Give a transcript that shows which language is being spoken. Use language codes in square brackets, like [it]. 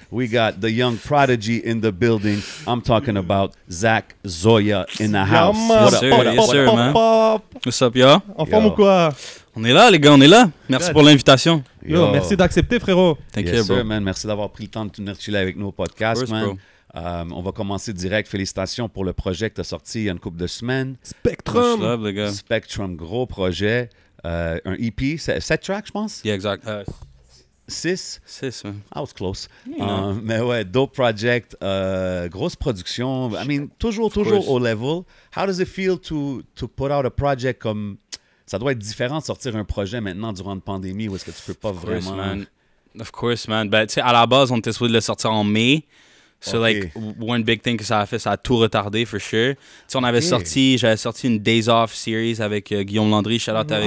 [en] We got the young prodigy in the building. I'm talking about Zach Zoya in the house. Yeah, what up, sir, what up, yes, sir, man. What's up, y'all? [fr] En forme ou quoi? On est là, les gars, on est là. Merci pour l'invitation. Yo, merci d'accepter, frérot. [en] Thank you, bro. Sir, man. [fr] Merci d'avoir pris le temps de venir chiller avec nous au podcast, [en] first, [fr] man. On va commencer direct. Félicitations pour le projet que tu as sorti il y a une couple de semaines. Spectrum. [en] Much love, [fr] les gars. Spectrum, gros projet. Un EP, 7 tracks, je pense? [en] Yeah, exact. 6? 6, man. I was close. [fr] Mais ouais, [en] dope project. [fr] Grosse production. [en] I mean, [fr] toujours au level. [en] How does it feel to put out a project [fr] comme... Ça doit être différent de sortir un projet maintenant durant une pandémie ou est-ce que tu peux pas [en] of course, [fr] vraiment... [en] Man. Of course, man. [fr] Ben, tu sais, à la base, on était souhaité le sortir en mai. [en] So, [fr] okay. [en] Like, one big thing [fr] que ça a fait, ça a tout retardé, [en] for sure. [fr] Tu sais, on avait okay. sorti, j'avais sorti une Days Off series avec Guillaume Landry, shout-out avec...